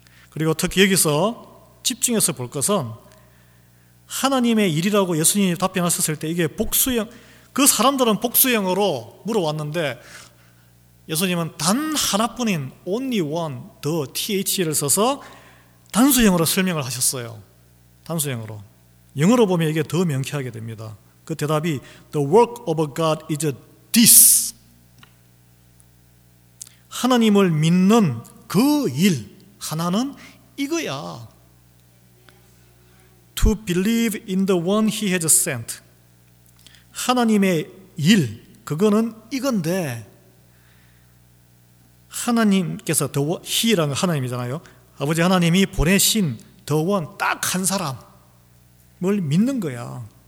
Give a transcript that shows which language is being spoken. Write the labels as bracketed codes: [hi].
[ko] 그리고 특히 여기서 집중해서 볼 것은 하나님의 일이라고 예수님이 답변하셨을 때 이게 복수형, 그 사람들은 복수형으로 물어왔는데 예수님은 단 하나뿐인 [en] only one, [ko] the th를 써서 단수형으로 설명을 하셨어요. 단수형으로. 영어로 보면 이게 더 명쾌하게 됩니다. 그 대답이 [en] the work of God is this. [ko] 하나님을 믿는 그 일 하나는 이거야. [en] To believe in the one he has sent. [ko] 하나님의 일, 그거는 이건데, 하나님께서 the he라는 하나님이잖아요. 아버지 하나님이 보내신 the one, 딱 한 사람을 믿는 거야.